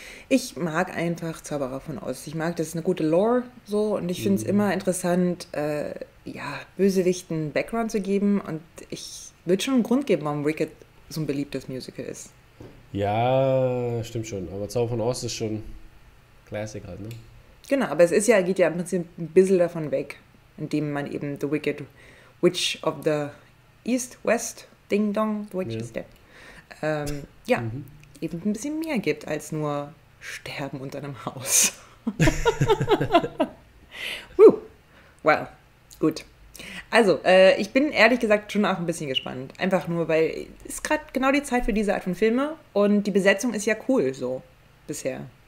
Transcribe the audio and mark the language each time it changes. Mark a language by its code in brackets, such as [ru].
[de] Ich mag einfach Zauberer von Oz. Ich mag, das ist eine gute Lore so, und ich finde es immer interessant, ja, Bösewichten Background zu geben. Und ich würde schon einen Grund geben, warum Wicked so ein beliebtes Musical ist. Ja, stimmt schon. Aber Zauber von Ost ist schon Classic halt, ne? Genau, aber es ist ja, geht ja im Prinzip ein bisschen davon weg, indem man eben [en] The Wicked which of the East, West, Ding Dong, which [de] Ja. [en] is that? [de] Ja, eben ein bisschen mehr gibt als nur sterben unter einem Haus. Well, gut. Also, ich bin ehrlich gesagt schon auch ein bisschen gespannt. Einfach nur, weil es ist gerade genau die Zeit für diese Art von Filme und die Besetzung ist ja cool so bisher.